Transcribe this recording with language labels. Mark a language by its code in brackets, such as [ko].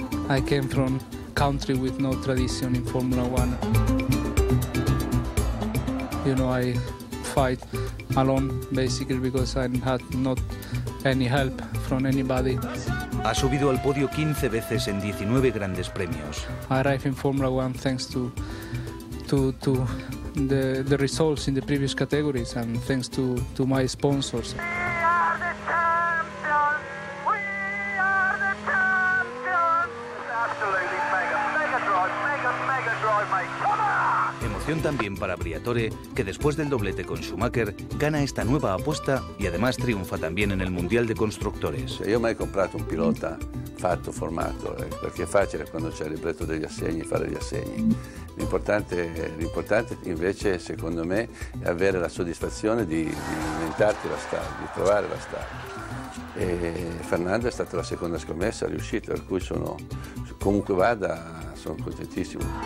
[en] I came from country with no tradition in Formula One. You know, I fight alone basically because I had not any help from anybody. [es] Ha subido al podio 15 veces en 19 grandes premios. [en] I arrived in Formula One thanks to the results in the previous categories and thanks to my sponsors. We are the champions! We are the champions! Absolutely mega drive, mate. Come on! [es] Emoción también para Briatore, que después del doblete con Schumacher, gana esta nueva apuesta y además triunfa también en el Mundial de Constructores. Yo me he comprado [it] un pilota fatto, formato, perché è facile quando c'è il libretto degli assegni fare gli assegni. L'importante invece, secondo me, è avere la soddisfazione di inventarti la star, di trovare la star. E Fernando è stata la seconda scommessa riuscita, per cui sono, comunque vada, sono contentissimo.